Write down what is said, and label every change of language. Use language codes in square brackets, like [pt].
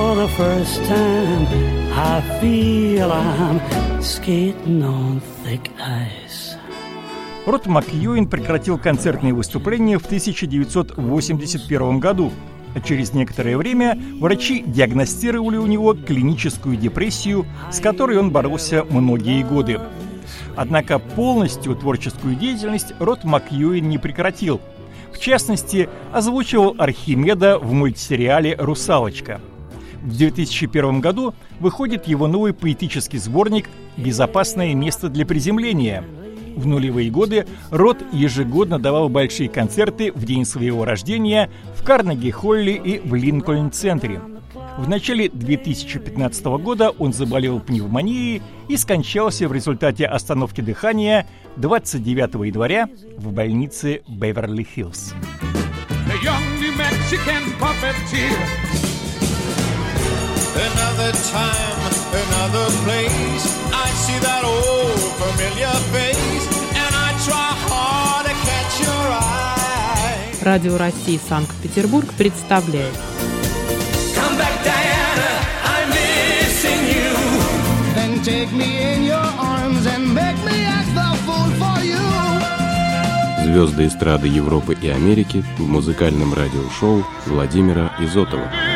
[en] First time I feel I'm skating on thick ice. [ru] Род Макьюин прекратил концертные выступления в 1981 году, а через некоторое время врачи диагностировали у него клиническую депрессию, с которой он боролся многие годы. Однако полностью творческую деятельность Род Макьюин не прекратил. В частности, озвучивал Архимеда в мультсериале «Русалочка». В 2001 году выходит его новый поэтический сборник «Безопасное место для приземления». В нулевые годы Рот ежегодно давал большие концерты в день своего рождения в Карнеги-Холле и в Линкольн-центре. В начале 2015 года он заболел пневмонией и скончался в результате остановки дыхания 29 января в больнице Беверли-Хиллз. [en] Another time, another place, I see that old familiar face, and I try hard to catch your eye. [ru] Радио России Санкт-Петербург представляет. [en] Come back, Diana, I'm missing you. Then take me in your arms and make me act the fool for you. [ru] Звезды эстрады Европы и Америки в музыкальном радиошоу Владимира Изотова.